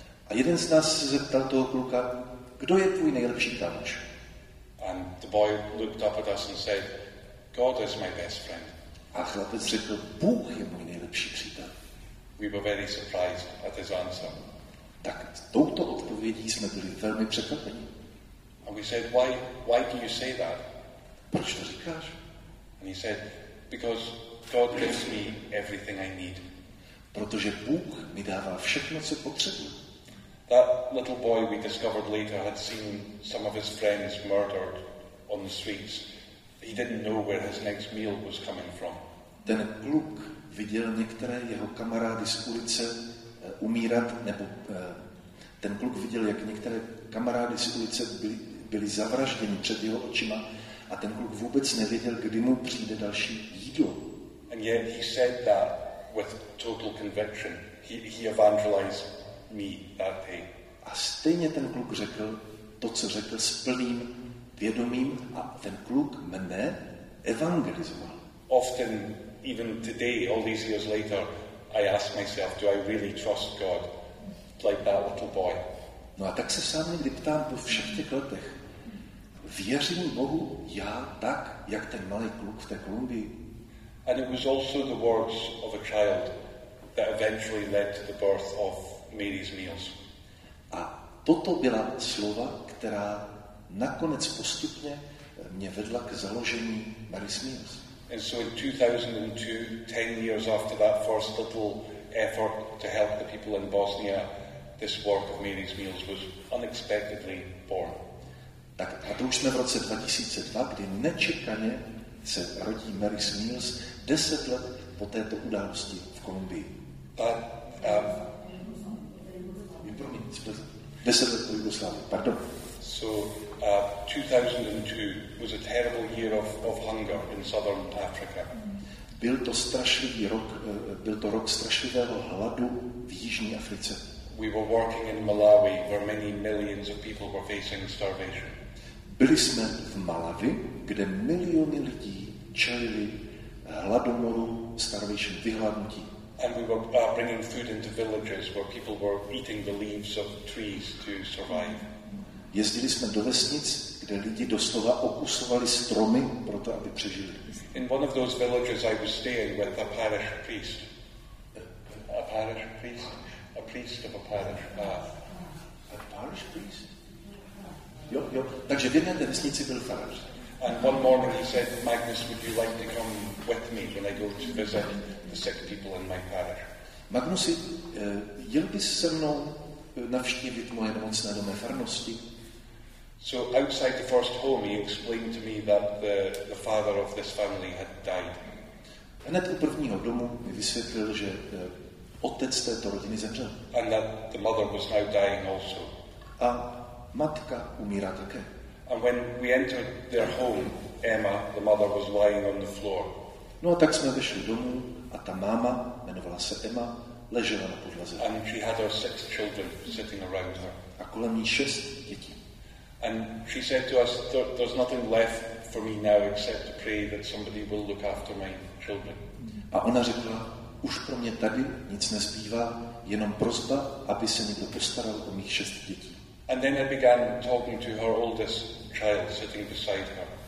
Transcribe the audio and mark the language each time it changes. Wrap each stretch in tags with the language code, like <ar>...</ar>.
<cs>A jeden z nás se zeptal toho kluka, kdo je tvůj nejlepší kámoš?</cs> <en>And the boy looked up at us and said, God is my best friend.</en> <cs>A chlapec řekl, Bůh je můj nejlepší přítel.</cs> <en>We were very surprised at his answer.</en> <cs>Tak touto odpovědí jsme byli velmi překvapeni.</cs> <en>And we said, why do you say that?</en> <cs>Proč to říkáš?</cs> <en>And he said, because God gives me everything I need.</en> <cs>Protože Bůh mi dává všechno, co potřebuji.</cs> <en>That little boy we discovered later had seen some of his friends murdered on the streets. He didn't know where his next meal was coming from.</en> <cs>Ten kluk viděl některé jeho kamarády z ulice umírat, nebo ten kluk viděl, jak některé kamarády z ulice byli zavražděni před jeho očima, a ten kluk vůbec nevěděl, kdy mu přijde další jídlo.</cs> <en>And yet he said that with total conviction. He evangelized me that day.</en> <cs>A stejně ten kluk řekl to, co řekl, s plným vědomím, a ten kluk mne evangelizoval.</cs> <en>Often, even today, all these years later, I ask myself, do I really trust God like that little boy?</en> <cs>No a tak se sám někdy ptám po všech těch letech. Věřím Bohu já tak, jak ten malý kluk v té Kolumbii?</cs> <en>And it was also the words of a child that eventually led to the birth of Mary's Meals.</en> <cs>A toto byla slova, která nakonec postupně mě vedla k založení Mary's Meals.</cs> <en>And so in 2002, 10 years after that first little effort to help the people in Bosnia, this work of Mary's Meals was unexpectedly born.</en> <cs>Tak a to už jsme v roce 2002, kdy nečekaně se rodí Mary's Meals 10 let po této události v Kolumbii.</cs> <en>But,</en> <cs>promiň, 10 let po Jugoslávii, pardon.</cs> <en>So, 2002 was a terrible year of hunger in southern Africa.</en> <cs>Byl to strašlivý rok, byl to rok strašlivého hladu v jižní Africe.</cs> <en>We were working in Malawi, where many millions of people were facing starvation.</en> <cs>Byli jsme v Malawi, kde miliony lidí čelili hladomoru, starvation, vyhladnutí.</cs> <en>And we were bringing food into villages where people were eating the leaves of trees to survive.</en> <cs>Jezdili jsme do vesnic, kde lidi doslova okusovali stromy proto, aby přežili.</cs> <en>In one of those villages I was staying with a parish priest. A parish priest? A priest of a parish. A parish priest?</en> <cs>Jo, jo. Takže v jedné té vesnici byl farář.</cs> <en>And one morning he said, Magnus, would you like to come with me when I go to visit the sick people in my parish?</en> <cs>Magnusi, jel bys se mnou navštívit moje nemocné do mé farnosti?</cs> <en>So outside the first home, he explained to me that the father of this family had died.</en> <cs>Hned u prvního domu mi vysvětlil, že otec této rodiny zemřel.</cs> <en>And that the mother was now dying also.</en> <cs>A matka umírá také.</cs> <en>And when we entered their home, Emma, the mother, was lying on the floor.</en> <cs>No a tak jsme vyšli domů a ta máma, jmenovala se Emma, ležela na podlaze.</cs> <en>And she had her six children sitting around her.</en> <cs>A kolem ní šest dětí.</cs> <en>And she said to us, there's nothing left for me now except to pray that somebody will look after my children.</en> <cs>A ona řekla, už pro mě tady nic nezbývá, jenom prosba, aby se někdo postaral o mých šest dětí.</cs> <en>And then I began talking to her oldest child sitting beside her.</en>